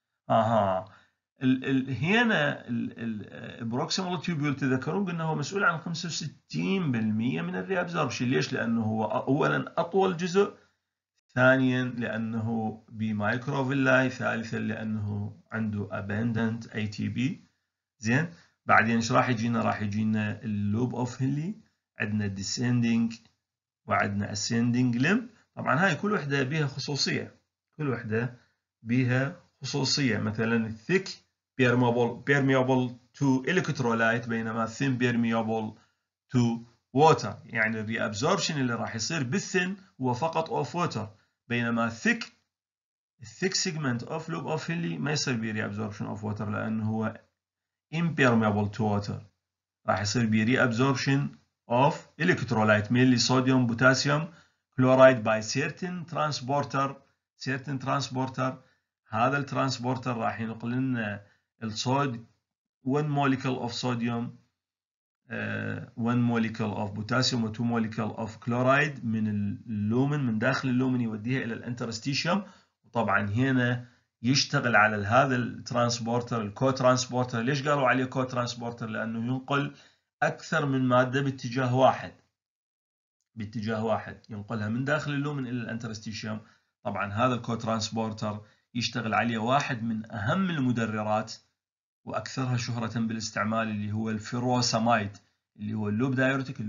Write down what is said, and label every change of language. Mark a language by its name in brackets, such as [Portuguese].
[Arabic] اها، هنا البروكسيمال تيوبل تذكرون انه هو مسؤول عن 65% من الريابزوربشن، ليش؟ لانه هو اولا اطول جزء، ثانيا لانه بمايكروفيلاي، ثالثا لانه عنده [English] abundant ATP. [Arabic] زين، بعدين ايش راح يجينا؟ راح يجينا اللوب اوف هيلي، عندنا ديسيندينج وعندنا اسيندينج لمب. طبعا هاي كل وحده بيها خصوصيه، كل وحده بيها خصوصيه، مثلا الثيك [English] permeable to electrolyte [Arabic] بينما [English] thin permeable to water. [Arabic] يعني الريابسوربشن اللي راح يصير بالثن هو فقط [English] of water [Arabic] بينما [English] thick thick segment of loop of Henle [Arabic] ما يصير بي [English] reabsorption of water [Arabic] لأنه هو [English] impermeable to water. [Arabic] راح يصير بي [English] reabsorption of electrolyte mainly sodium potassium chloride by certain transporter. certain transporter [Arabic] هذا الترانسبورتر راح ينقل لنا [English] one molecule of sodium one molecule of potassium and two molecule of chloride [Arabic] من اللومن من داخل اللومن يوديها الى الانترستيشيوم. وطبعا هنا يشتغل على هذا الترانسبورتر الكو ترانسبورتر. ليش قالوا عليه كو ترانسبورتر؟ لانه ينقل اكثر من ماده باتجاه واحد ينقلها من داخل اللومن الى الانترستيشيوم. طبعا هذا الكو ترانسبورتر يشتغل عليه واحد من اهم المدررات واكثرها شهره بالاستعمال اللي هو الفيروساميد اللي هو اللوب دايرتيك.